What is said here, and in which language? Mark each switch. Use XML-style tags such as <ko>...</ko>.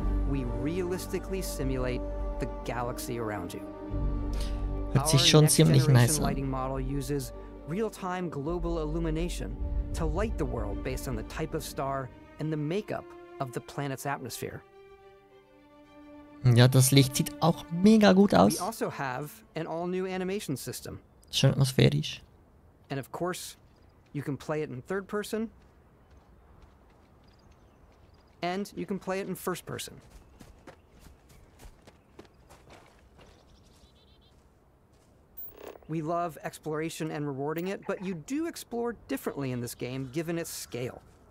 <en>We realistically simulate the galaxy around you.</en> <de>Hört sich schon ziemlich nice an.</de> <en>Our next generation lighting model uses real-time global illumination to light the world based on the type of star and the makeup of the planet's atmosphere.</en> <de>Ja, das Licht sieht auch mega gut aus.</de> <en>We also have an all-new animation system.</en> <de>Schön atmosphärisch.</de> <en>And of course, you can play it in third person And you can play it in first person. We love exploration and rewarding it, but you do explore differently in this game, given its scale.</en>